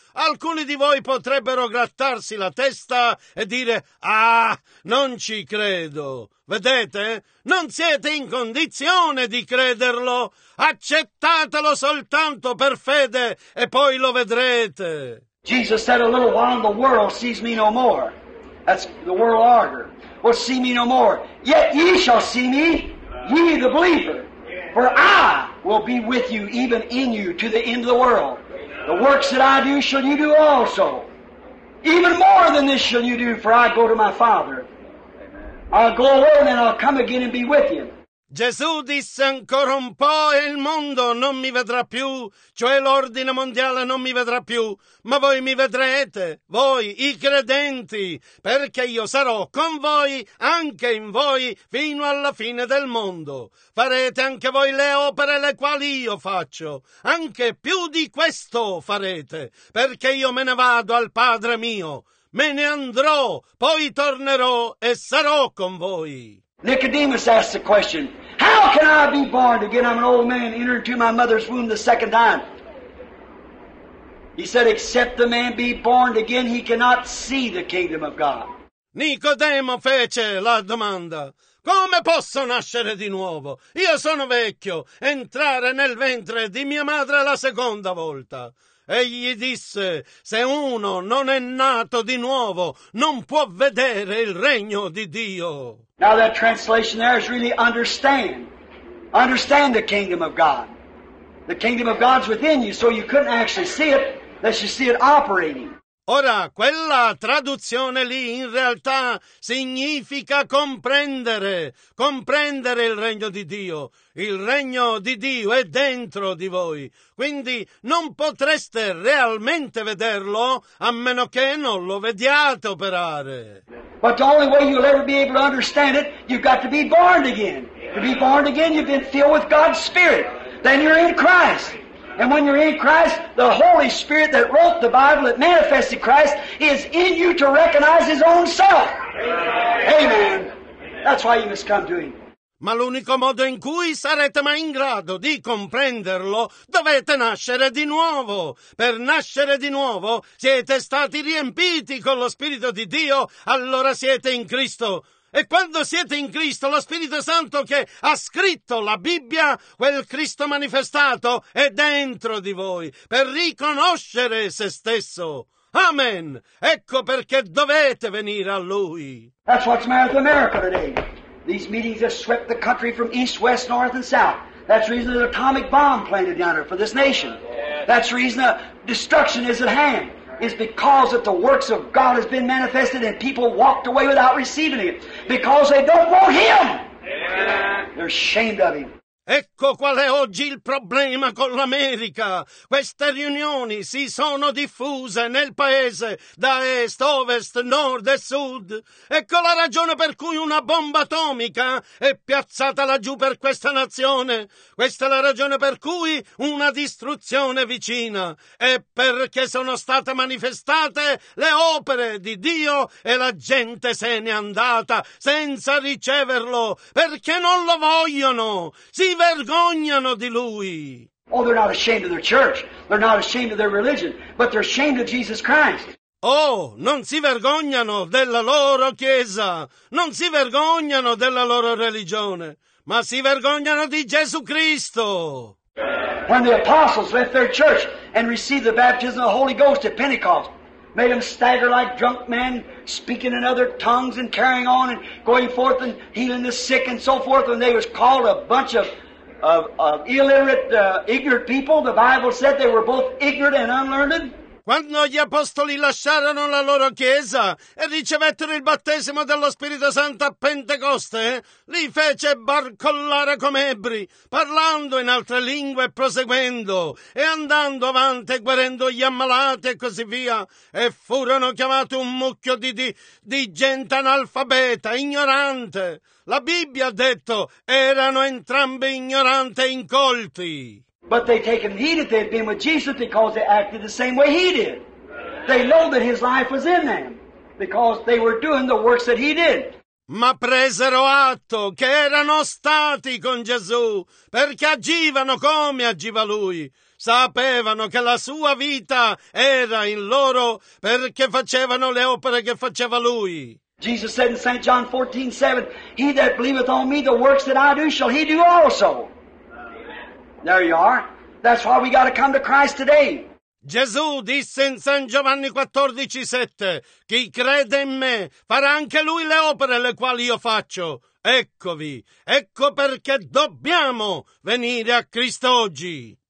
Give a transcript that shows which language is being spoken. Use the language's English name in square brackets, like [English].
[Italian] Alcuni di voi potrebbero grattarsi la testa e dire, ah, non ci credo. Vedete? Non siete in condizione di crederlo. Accettatelo soltanto per fede e poi lo vedrete. [English] Jesus said a little while the world sees me no more. That's the world order. Will see me no more. Yet ye shall see me, ye the believer. For I will be with you, even in you, to the end of the world. The works that I do shall you do also. Even more than this shall you do, for I go to my Father. I'll go alone and I'll come again and be with you. [Italian] Gesù disse ancora un po' e il mondo non mi vedrà più, cioè l'ordine mondiale non mi vedrà più, ma voi mi vedrete, voi i credenti, perché io sarò con voi, anche in voi, fino alla fine del mondo. Farete anche voi le opere le quali io faccio, anche più di questo farete, perché io me ne vado al Padre mio, me ne andrò, poi tornerò e sarò con voi. [English] Nicodemus asked the question, how can I be born again? I'm an old man, enter into my mother's womb the second time. He said, except the man be born again, he cannot see the kingdom of God. [Italian] Nicodemo fece la domanda, come posso nascere di nuovo? Io sono vecchio, entrare nel ventre di mia madre la seconda volta. Egli disse, se uno non è nato di nuovo, non può vedere il regno di Dio. [English] Now that translation there is really understand. Understand the kingdom of God. The kingdom of God's within you, so you couldn't actually see it unless you see it operating. [Italian] Ora, quella traduzione lì in realtà significa comprendere, comprendere il regno di Dio. Il regno di Dio è dentro di voi, quindi non potreste realmente vederlo a meno che non lo vediate operare. [English] But the only way you'll ever be able to understand it, you've got to be born again. To be born again, you've been filled with God's Spirit. Then you're in Christ. And when you're in Christ, the Holy Spirit that wrote the Bible, that manifested Christ, is in you to recognize His own self. Amen. Amen. That's why you must come to Him. [Italian] Ma l'unico modo in cui sarete mai in grado di comprenderlo, dovete nascere di nuovo. Per nascere di nuovo siete stati riempiti con lo Spirito di Dio, allora siete in Cristo. E quando siete in Cristo, lo Spirito Santo che ha scritto la Bibbia, quel Cristo manifestato, è dentro di voi, per riconoscere se stesso. Amen! Ecco perché dovete venire a Lui. [English] That's what's made with America today. These meetings have swept the country from east, west, north, and south. That's the reason an atomic bomb planted down here for this nation. That's the reason destruction is at hand. It's because that the works of God has been manifested and people walked away without receiving it. Because they don't want Him. Amen. They're ashamed of Him. [Italian] Ecco qual è oggi il problema con l'America. Queste riunioni si sono diffuse nel paese, da est, ovest, nord e sud. Ecco la ragione per cui una bomba atomica è piazzata laggiù per questa nazione. Questa è la ragione per cui una distruzione vicina. E perché sono state manifestate le opere di Dio e la gente se n'è andata senza riceverlo, perché non lo vogliono. Si vergognano di lui. [English] Oh, they're not ashamed of their church. They're not ashamed of their religion, but they're ashamed of Jesus Christ. [Italian] Oh, non si vergognano della loro chiesa. Non si vergognano della loro religione, ma si vergognano di Gesù Cristo. [English] When the apostles left their church and received the baptism of the Holy Ghost at Pentecost, made them stagger like drunk men, speaking in other tongues and carrying on and going forth and healing the sick and so forth. And they was called a bunch of illiterate, ignorant people. The Bible said they were both ignorant and unlearned. [Italian] Quando gli apostoli lasciarono la loro chiesa e ricevettero il battesimo dello Spirito Santo a Pentecoste, li fece barcollare come ebri, parlando in altre lingue e proseguendo, e andando avanti, guarendo gli ammalati e così via, e furono chiamati un mucchio di gente analfabeta, ignorante. La Bibbia ha detto, erano entrambi ignoranti e incolti. [English] But they taken heed that they had been with Jesus because they acted the same way he did. They know that his life was in them because they were doing the works that he did. [Italian] Ma presero atto che erano stati con Gesù perché agivano come agiva lui. Sapevano che la sua vita era in loro perché facevano le opere che faceva lui. [English] Jesus said in St. John 14:7, "He that believeth on me, the works that I do, shall he do also." There you are. That's why we got to come to Christ today. [Italian] Gesù disse in San Giovanni 14:7, chi crede in me farà anche lui le opere le quali io faccio. Eccovi, ecco perché dobbiamo venire a Cristo oggi.